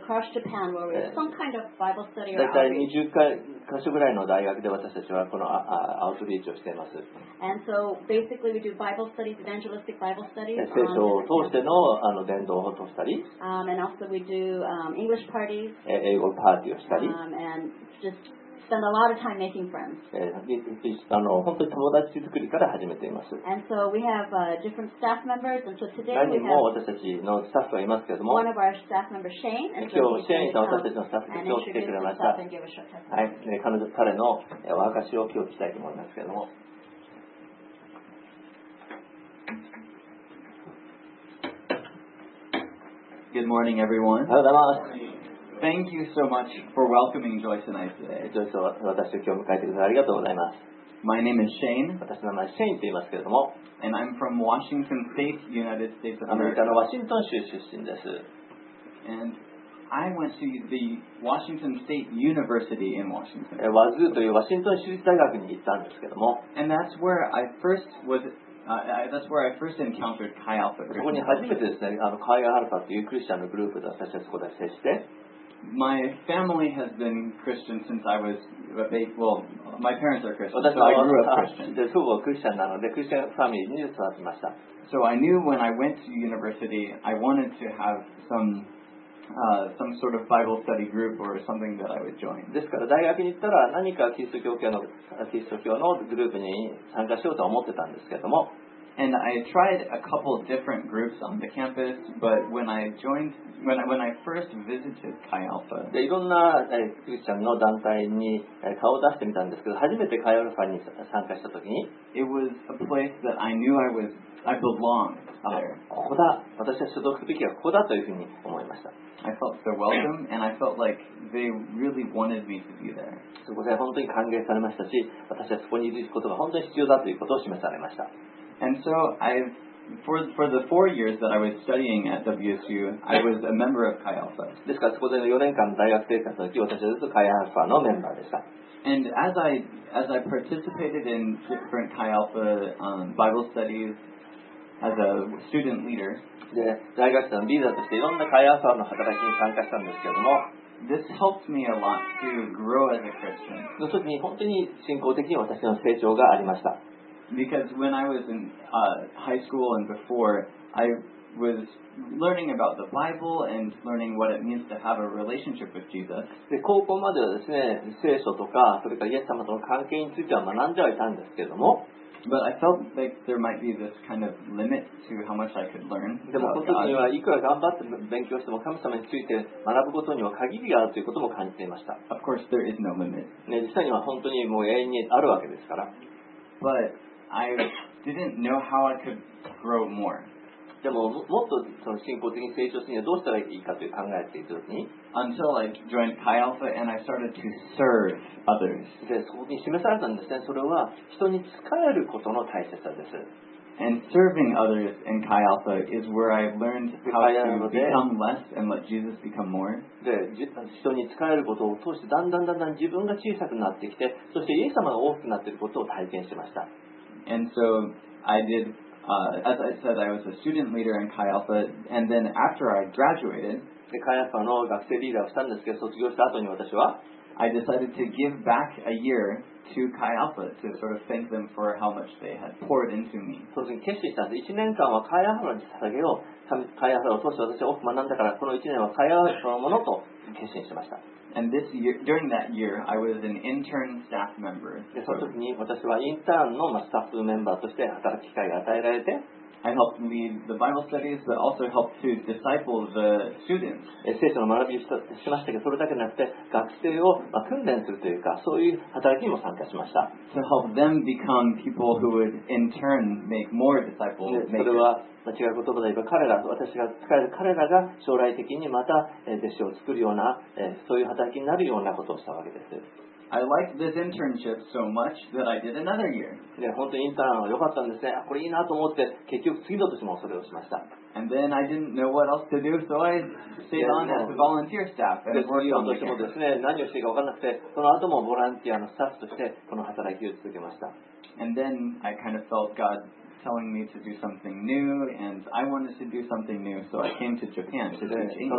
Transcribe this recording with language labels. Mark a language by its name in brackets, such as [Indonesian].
[English] We have about maybe 26 campuses across Japan where we have some kind of Bible study or outreach. [Japanese] 大体20箇所ぐらいの大学で私たちはこの [English] And so basically we do Bible studies, evangelistic Bible studies. [Japanese] 聖書を通しての伝道をしたり。 [English] And also we do English parties. [Japanese] 英語パーティーをしたり。 [English] And just spend a lot of time making friends. [Japanese] 本当に友達作りから始めています。 [English] And so we have different staff members. And so today we have [Japanese] 私たちのスタッフがいますけれども。 [English] One of our staff members, Shane. [Japanese] 今日シェーンさん私たちのスタッフが今日来てくれました。 [English] And introduce himself and give a short testimony. [Japanese] はい、彼のお証しを今日聞きたいと思いますけれども。 [English] Good morning, everyone. [Japanese] おはようございます。 [English] Thank you so much for welcoming Joyce and I today. [Japanese] Joyce を私を今日迎えてくださりありがとうございます。 [English] My name is Shane. [Japanese] 私の名前はシェインと言いますけれども。 [English] And I'm from Washington State, United States of America. [Japanese] アメリカのワシントン州出身です。 [English] And I went to the Washington State University in Washington. [Japanese] ワズーというワシントン州立大学に行ったんですけども。 [English] And that's where I first was... that's where I first encountered Chi Alpha. [Japanese] そこに初めてですね、Chi Alpha というクリスチャンのグループで私たちそこで接して。 [English] My family has been Christian since I was a baby. Well, my parents are Christian, so I grew up Christian. [Japanese] で、祖母はクリスチャンなので、クリスチャンファミリーに育ちました。 [English] So I knew when I went to university, I wanted to have some sort of Bible study group or something that I would join. [Japanese] ですから大学に行ったら何かキリスト教のグループに参加しようと思ってたんですけども。 [English] And I tried a couple different groups on the campus, but when I first visited Chi Alpha, [Japanese] でいろんなクリスチャンの団体に顔を出してみたんですけど、初めてChi Alphaに参加したときに、 [English] it was a place that I knew I belonged there. [Japanese] ここだ、私は所属すべきはここだというふうに思いました。 [English] I felt so welcome, and I felt like they really wanted me to be there. [Japanese] そこで本当に歓迎されましたし、私はそこにいることが本当に必要だということを示されました。 [English] And so for the 4 years that I was studying at WSU, I was a member of Chi Alpha. [Japanese] ですからそこで4年間大学生活の時、私はずっと Chi Alpha のメンバーでした。 [English] And as I participated in different Chi Alpha Bible studies as a student leader, [Japanese] で大学生のリーダーとしていろんな Chi Alpha の働きに参加したんですけれども、 [English] This helped me a lot to grow as a Christian. [Japanese] その時に本当に信仰的に私の成長がありました。 [English] Because when I was in high school and before, I was learning about the Bible and learning what it means to have a relationship with Jesus. [Japanese] で、高校まではですね、聖書とか、それからイエス様との関係については学んではいたんですけども。 [English] But I felt like there might be this kind of limit to how much I could learn. [Japanese] でも、この時にはいくら頑張って勉強しても神様について学ぶことには限りがあるということも感じていました。 [English] Of course, there is no limit. [Japanese] ね、実際には本当にもう永遠にあるわけですから。 [English] But I didn't know how I could grow more. [Japanese] でも、もっとその進行的に成長するにはどうしたらいいかという考えていたときに、 [English] until I joined Chi Alpha and I started to serve others. [Japanese] で、そこに示されたんですね。それは人に仕えることの大切さです。 [English] And serving others in Chi Alpha is where I learned how to become less and let Jesus become more. [Japanese] で、人に仕えることを通してだんだんだんだん自分が小さくなってきて、そしてイエス様が大きくなっていることを体験しました。 [English] And so I did, as I said, I was a student leader in Chi Alpha, and then after I graduated, [Japanese] で、Chi Alphaの学生リーダーをしたんですけど、卒業した後に私は、 [English] I decided to give back a year to Chi Alpha to sort of thank them for how much they had poured into me. [Japanese] そうですね、決心したんです。1年間はChi Alphaに捧げよう。 Chi Alphaを通して私は多く学んだから、この1年はChi Alphaそのものと決心しました。 [English] And this year, during that year, I was an intern staff member. [Japanese] で、その時に私はインターンのスタッフメンバーとして働く機会が与えられて、 [English] I helped lead the Bible studies, but also helped to disciple the students. [Japanese] 聖書の学びをしましたけど、それだけじゃなくて、学生を訓練するというか、そういう働きにも参加しました。 [English] To help them become people who would in turn make more disciples. [Japanese] それは、違う言葉で言えば、彼ら、私が使える彼らが将来的にまた弟子を作るような、そういう働きになるようなことをしたわけです。 [English] I liked this internship so much that I did another year. [Japanese] で、本当にインターンは良かったんですね。これいいなと思って、結局次の年もそれをしました。 [English] And then I didn't know what else to do, so I stayed on as a volunteer staff. [Japanese] で、次の年もですね、何をしていいか分からなくて、その後もボランティアのスタッフとしてこの働きを続けました。 [English] And then I kind of felt God telling me to do something new, and I wanted to do something new, so I came to Japan to teach English.